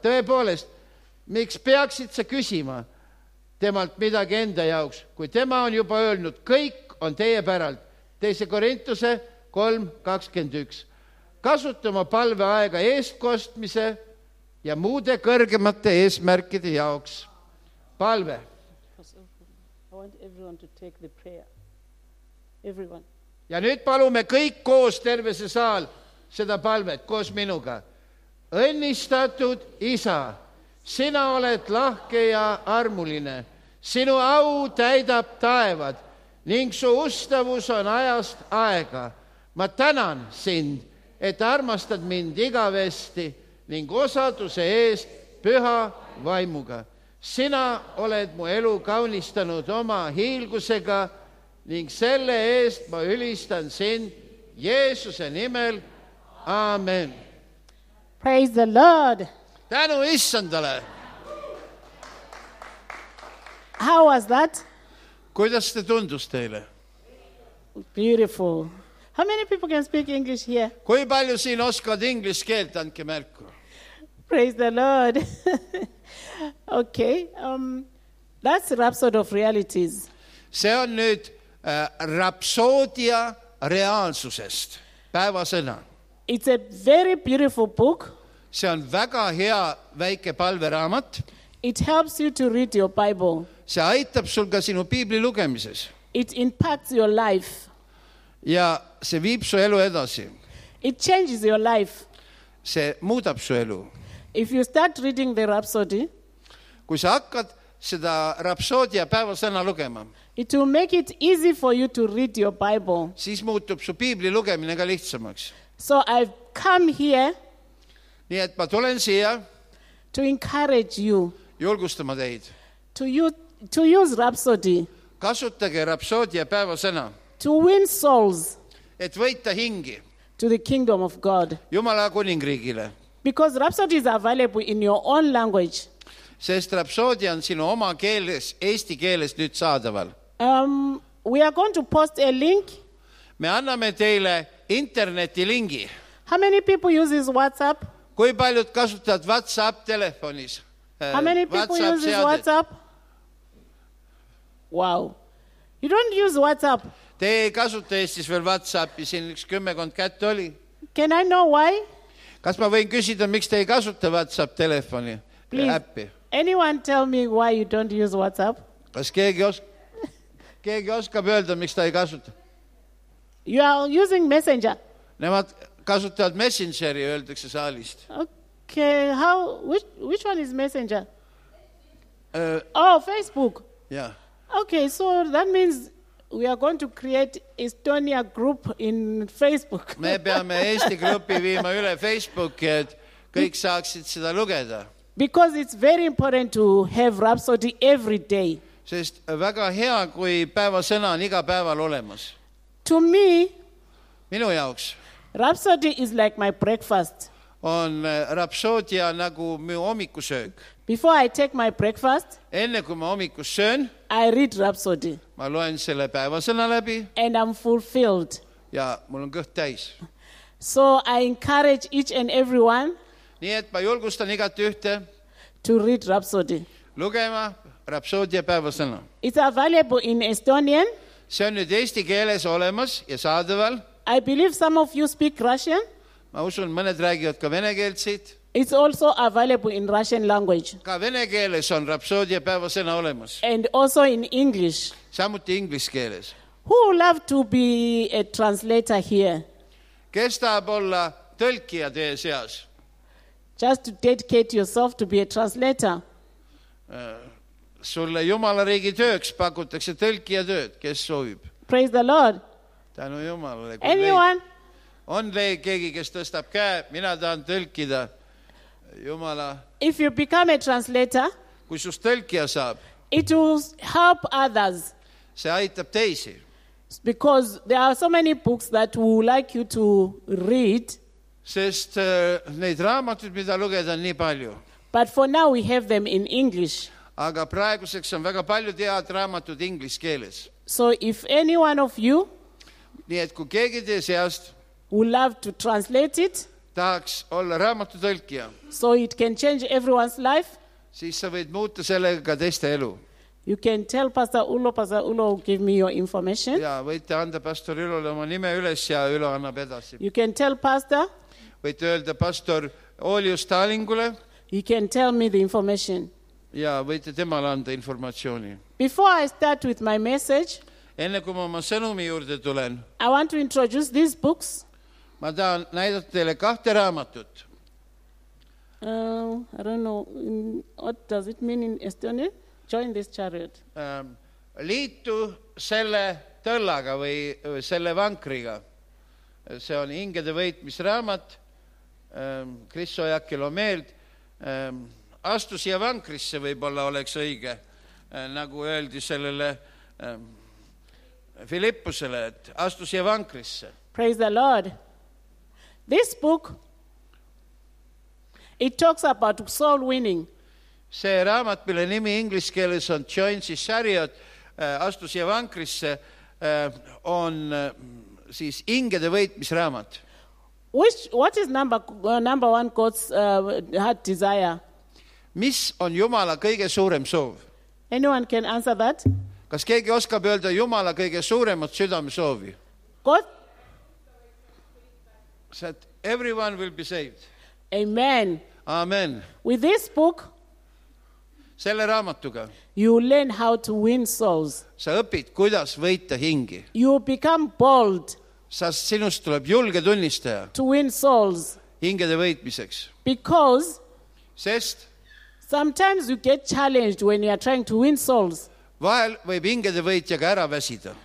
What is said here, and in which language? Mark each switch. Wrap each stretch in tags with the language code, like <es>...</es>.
<et>Tõepoolest, miks peaksid sa küsima temalt midagi enda jaoks, kui tema on juba öelnud, kõik on teie päralt. Teise Korintuse 3.21. Kasutama palve aega eestkostmise ja muude kõrgemate eesmärkide jaoks. Palve.</et> <en>I want everyone to take the prayer. Everyone.</en> <et>Ja nüüd palume kõik koos tervese saal seda palvet, koos minuga. Õnnistatud isa, sina oled lahke ja armuline. Sinu au täidab taevad ning su ustavus on ajast aega. Ma tänan sind, et armastad mind igavesti ning osaduse eest püha vaimuga. Sina oled mu elu kaunistanud oma hiilgusega ning selle eest ma ülistan sind Jeesuse nimel. Amen.</et> <en>Praise the Lord.</en> <et>Tänu Issandale.</et> <en>How was that?</en> <et>Kuidas te tundus teile?</et> <en>Beautiful. How many people can speak English here?</en> <et>Kui palju siin oskad inglise keelt, andke märku.</et> <en>Praise the Lord. Okay, that's a rhapsody of realities.</en> <et>See on nüüd rapsoodia reaalsusest, päevasõna.</et> <en>It's a very beautiful book.</en> <et>See on väga hea väike palveraamat.</et> <en>It helps you to read your Bible.</en> <et>See aitab sul ka sinu piibli lugemises.</et> <en>It impacts your life.</en> <et>Ja see viib su elu edasi.</et> <en>It changes your life.</en> <et>See muudab su elu.</et> <en>If you start reading the rhapsody,</en> <et>kui sa hakkad seda rapsoodia päevasõna lugema,</et> <en>it will make it easy for you to read your Bible.</en> <et>Siis muutub su piibli lugemine ka lihtsamaks.</et> <en>So I've come here.</en> <et>Nii et ma tulen siia.</et> <en>To encourage you.</en> <et>Julgustama teid.</et> <en>To use rapsoodi.</en> <et>Kasutage rapsoodia päevasõna.</et> <en>To win souls.</en> <et>Et võita hingi.</et> <en>To the kingdom of God.</en> <et>Jumala kuningriigile.</et> <en>Because rapsoodi is available in your own language.</en> <et>Sest rapsoodi on sinu oma keeles, eesti keeles nüüd saadaval.</et> <en>We are going to post a link.</en> <et>Me anname teile interneti lingi.</et> <en>How many people uses WhatsApp?</en> <et>Kui paljud kasutavad WhatsApp telefonis?</et> <en>How many people uses WhatsApp? Wow. You don't use WhatsApp.</en> <et>Te ei kasuta Eestis veel WhatsAppi, siin üks kümmekond kätt oli.</et> <en>Can I know why?</en> <et>Kas ma võin küsida, miks te ei kasuta WhatsApp telefoni?</et> <en>Please.</en> <et>Appi?</et> <en>Anyone tell me why you don't use WhatsApp?</en> <et>Kas keegi oskab öelda, miks ta ei kasuta?</et> <en>You are using Messenger.</en> <et>Nemad kasutavad Messengeri, öeldakse saalist.</et> <en>Okay, how, which one is Messenger? Facebook. Yeah. Okay, so that means we are going to create Estonia group in Facebook.</en> <et>Me peame Eesti gruppi viima üle Facebooki, et kõik saaksid seda lugeda.</et> <en>Because it's very important to have rhapsody every day.</en> <et>Sest väga hea, kui päevasõna on iga päeval olemas.</et> <en>To me,</en> <et>minu jaoks,</et> <en>rhapsody is like my breakfast.</en> <et>On rhapsoodia nagu mu hommikusöök.</et> <en>Before I take my breakfast,</en> <et>enne kui ma hommikus söön,</et> <en>I read rhapsody.</en> <et>Ma loen selle päevasõna läbi.</et> <en>And I'm fulfilled.</en> <et>Ja mul on kõht täis.</et> <en>So I encourage each and everyone.</en> <et>Nii et ma julgustan igat ühte.</et> <en>To read rhapsody.</en> <et>Lugema rhapsoodia päevasõna.</et> <en>It's available in Estonian.</en> <et>See on nüüd eesti keeles olemas ja saadaval.</et> <en>I believe some of you speak Russian.</en> <et>Ma usun, mõned räägivad ka vene keelt siit.</et> <en>It's also available in Russian language.</en> <et>Ka vene keeles on rapsoodia päevasõna olemas.</et> <en>And also in English.</en> <et>Samuti inglise keeles.</et> <en>Who would love to be a translator here?</en> <et>Kes tahab olla tõlkija teie seas?</et> <en>Just to dedicate yourself to be a translator.</en> <et>Sulle Jumala riigi tööks pakutakse tõlkija tööd, kes soovib.</et> <en>Praise the Lord.</en> <et>Tänu Jumalale.</et> <en>Anyone?</en> <et>On keegi, kes tõstab käe, mina tahan tõlkida. Jumala.</et> <en>If you become a translator,</en> <et>kui sust tõlkija saab,</et> <en>it will help others.</en> <et>See aitab teisi.</et> <en>Because there are so many books that we would like you to read.</en> <et>Sest neid raamatud, mida lugeda, on nii palju.</et> <en>But for now we have them in English.</en> <et>Aga praeguseks on väga palju tead raamatud inglise keeles.</et> <en>So if any one of you</en> <et>nii et kui keegi teisest</et> <en>would love to translate it,</en> <et>tahaks olla raamatu tõlkija,</et> <en>so it can change everyone's life,</en> <et>siis sa võid muuta sellega ka teiste elu.</et> <en>You can tell Pastor Ulo, give me your information.</en> <et>Ja võite anda Pastor Ulole oma nime üles ja Ulo annab edasi.</et> <en>You can tell Pastor.</en> <et>Võite öelda Pastor Olio Stalingule.</et> <en>He can tell me the information.</en> <et>Ja võite temale anda informatsiooni.</et> <en>Before I start with my message,</en> <et>enne kui ma oma sõnumi juurde tulen,</et> <en>I want to introduce these books.</en> <et>Ma tahan näidata teile kahte raamatut.</et> <en>I don't know, what does it mean in Estonia? Join this chariot.</en> <et>Liitu selle tõllaga või selle vankriga. See on ingede võitmisraamat. Kristo Jakkil on meeld. Astu siia vankrisse võibolla oleks õige, nagu öeldi sellele Filippusele, et astu siia vankrisse.</et> <en>Praise the Lord. This book, it talks about soul winning.</en> <et>See raamat, mille nimi ingliskeeles on Join the Chariot, astu siia vankrisse, on siis ingede võitmisraamat.</et> <en>What is number one God's heart desire?</en> <et>Mis on Jumala kõige suurem soov?</et> <en>Anyone can answer that?</en> <et>Kas keegi oskab öelda Jumala kõige suuremat südame soovi?</et> <en>God. Said everyone will be saved. Amen. Amen. With this book,</en> <et>selle raamatuga,</et> <en>you learn how to win souls.</en> <et>Sa õpid, kuidas võita hingi.</et> <en>You become bold.</en> <et>Sa sinust tuleb julge tunnistaja.</et> <en>To win souls.</en> <et>Hingede võitmiseks.</et> <en>Because.</en> <et>Sest.</et> <en>Sometimes you get challenged when you are trying to win souls.</en> <et>Vahel võib hingede võitjaga ära väsida.</et>